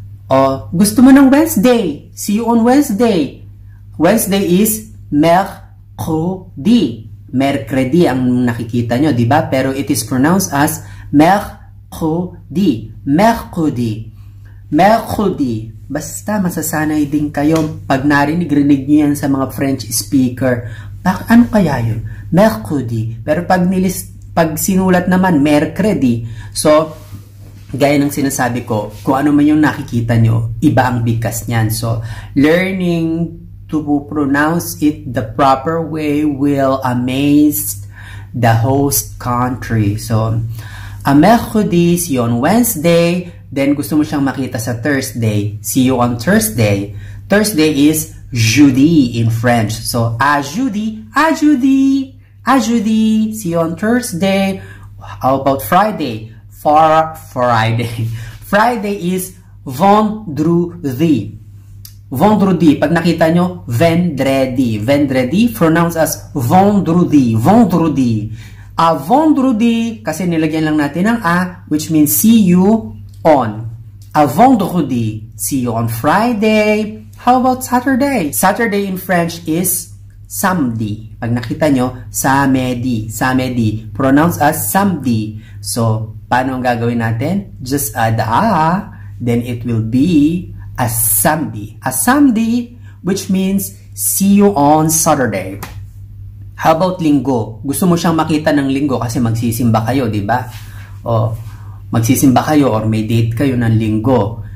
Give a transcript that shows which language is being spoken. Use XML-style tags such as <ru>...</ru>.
<tl>O, gusto mo ng</tl> <en>Wednesday, see you on Wednesday. Wednesday is Mercredi.</en> <tl>Mercredi ang nakikita nyo, di ba?</tl> <en>Pero it is pronounced as Mercredi.</en> <tl>Mercredi. Mercredi. Basta masasanay din kayo pag narinig-rinig nyo yan sa mga French speaker. Ano kaya yun? Mercredi. Pero pag nilis, pag sinulat naman, Mercredi. So, gaya ng sinasabi ko, kung ano man yung nakikita nyo, iba ang bigkas nyan.</tl> <en>So, learning to pronounce it the proper way will amaze the host country. So, a Mercredi, see you on Wednesday.</en> <tl>Then, gusto mo siyang makita sa Thursday.</tl> <en>See you on Thursday. Thursday is jeudi in French.</en> <fr>So, a jeudi, a jeudi, a jeudi.</fr> <en>See you on Thursday. How about Friday? Far Friday. Friday is vendredi. Vendredi,</en> <tl>pag nakita nyo,</tl> <en>vendredi. Vendredi, pronounced as vendredi. Vendredi.</en> <tl>A vendredi, kasi nilagyan lang natin ang A,</tl> <en>which means see you on.</en> <fr>A vendredi,</fr> <en>see you on Friday. How about Saturday? Saturday in French is samedi.</en> <tl>Pag nakita nyo,</tl> <en>samedi. Samedi, pronounced as samedi.</en> <tl>So, paano ang gagawin natin?</tl> <en>Just add A, then it will be a samedi, which means see you on Saturday. How about linggo?</en> <tl>Gusto mo siyang makita ng linggo kasi magsisimba kayo, di ba? O, magsisimba kayo or may date kayo ng linggo.</tl>